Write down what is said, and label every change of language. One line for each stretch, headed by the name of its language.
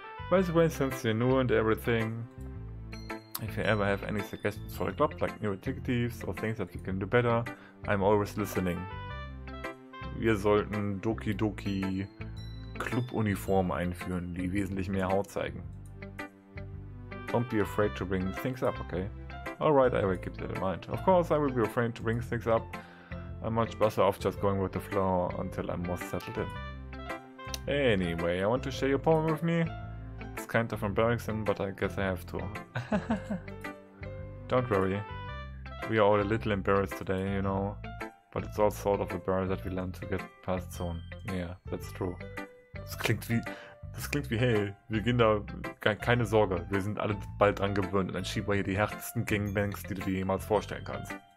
English: By the way, since you're new and everything, if you ever have any suggestions for a club, like new activities or things that you can do better, I'm always listening.
German: Wir sollten Doki Doki Club-Uniform einführen, die wesentlich mehr Haut zeigen.
English: Don't be afraid to bring things up, okay? Alright, I will keep that in mind. Of course, I will be afraid to bring things up. I'm much better off just going with the flow until I'm more settled in. Anyway, I want to share your poem with me. It's kind of embarrassing, but I guess I have to. Don't worry. We are all a little embarrassed today, you know. But it's all sort of a barrier that we learn to get past soon. Yeah, that's true.
German: Das klingt wie, hey, wir gehen da, keine Sorge, wir sind alle bald dran gewöhnt und dann schieben wir hier die härtesten Gangbangs, die du dir jemals vorstellen kannst.